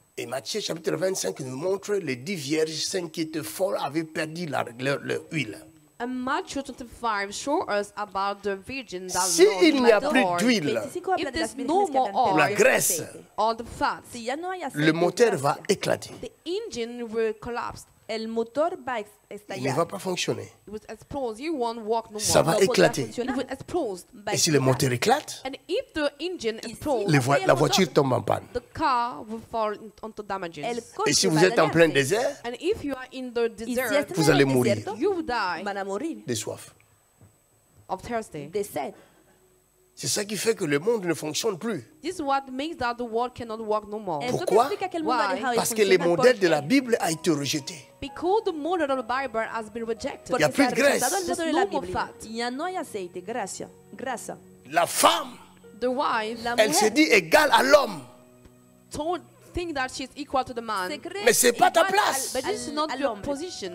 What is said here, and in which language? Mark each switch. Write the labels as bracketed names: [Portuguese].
[French] Et Matthieu chapitre 25 nous montre les 10 vierges s'inquiétaient fort avaient perdu leur huile. [English] And Matthew 25 shows us about the virgin that [French] si il n'y a plus d'huile, [English] if there's no more oil, [French] la graisse, [English] or the fat, [Spanish] si ya no hay aceite, [French] le moteur va éclater. [English] The engine will collapse. [Spanish] El motor va estallar. [French] Il ne va pas fonctionner. [English] It will explode. You won't walk no more. [French] Ça va éclater. [English] It will explode. [French] Et si le moteur éclate, [English] and if the engine explodes, [French] la voiture tombe en panne. [English] The car will fall into damages. [French] Et si vous êtes en plein désert, [English] and if you are in the desert, [French] vous allez mourir. [English] You will die. [Spanish] Van a morir. [French] De soif. [English] Of thirsty. [Spanish] De sed. [French] C'est ça qui fait que le monde ne fonctionne plus. [English] This is what makes that the world cannot work no more. [French] Pourquoi? [English] Why? [French] Parce que le modèle de la Bible a été rejeté. [English] Because the model of the Bible has been rejected. [French] Il n'y a plus de graisse. [English] There's no more fat. [French] Il n'y a pas d'aceite. [Spanish] Gracia. Grasa. [French] La femme. [English] The wife. [French] Elle se dit égale à l'homme. [English] Told think that she's equal to the man. [French] Mais c'est pas ta place. [English] But this is not your position.